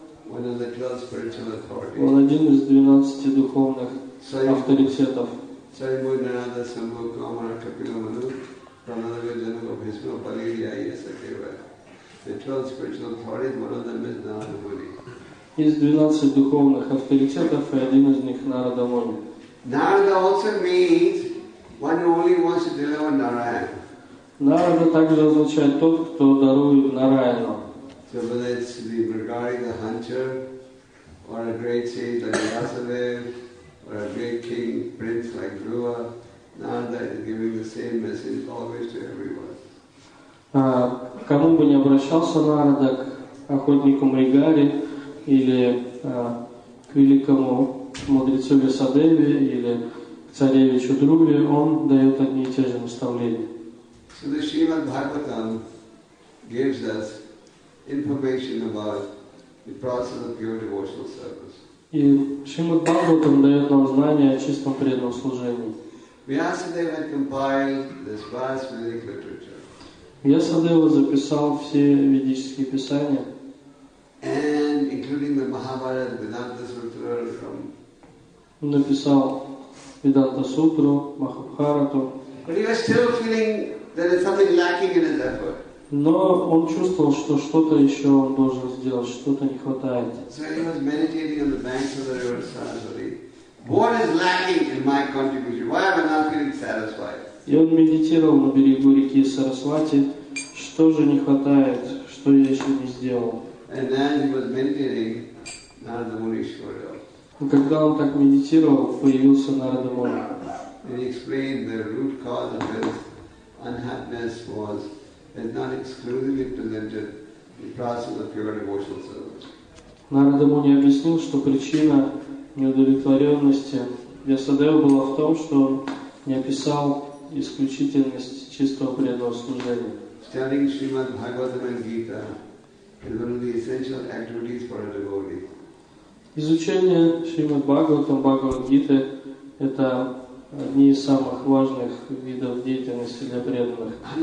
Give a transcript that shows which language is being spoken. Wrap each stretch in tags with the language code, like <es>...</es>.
<ru>Он один из 12 духовных авторитетов. Из 12 духовных авторитетов и один из них Нарада Муни.</ru> <en>Narada also means one who only wants to deliver Narayana.</en> <ru>Narada также означает тот, кто дарует Нараяну.</ru> <en>So whether it's the Bhargari, the hunter, or a great sage like Vyasadeva, or a great king, prince like Dhruva, Narada is giving the same message always to everyone.</en> <ru>Кому бы не обращался Нарада, к охотнику Мригари, или к великому мудрецу Вьясадеве, или к царевичу Друве, он дает одни и те же наставления. И Шримад Бхагаватам дает нам знания о чистом преданном служении. Вьясадева записал все ведические писания.</ru> <en>including the Mahabharata, Vedanta Sutra, from.</en> <ru>Написал Vedanta Sutra, Mahabharata.</ru> <en>But he was still feeling there is something lacking in his effort.</en> <ru>Но он чувствовал, что что-то еще он должен сделать, что-то не хватает.</ru> <en>So he was meditating on the banks of the river Saraswati. What is lacking in my contribution? Why am I not feeling satisfied?</en> <ru>И он медитировал на берегу реки Сарасвати. Что же не хватает? Что я еще не сделал?</ru> <en>And then he was meditating Narada Muni Shvara.</en> <ru>Когда он так медитировал, появился Нарада Муни.</ru> <en>And he explained the root cause of his unhappiness was is not exclusively presented in the process of pure devotional service.</en> <ru>Narada Muni объяснил, что причина неудовлетворенности Вьясадева была в том, что он не описал исключительность чистого преданного служения.</ru> <en>Studying Srimad Bhagavatam and Gita is one of the essential activities for a devotee.</en> <ru>Изучение Шримад Бхагаватам, Бхагавад Гиты – это одни из самых важных видов деятельности для преданных.</ru>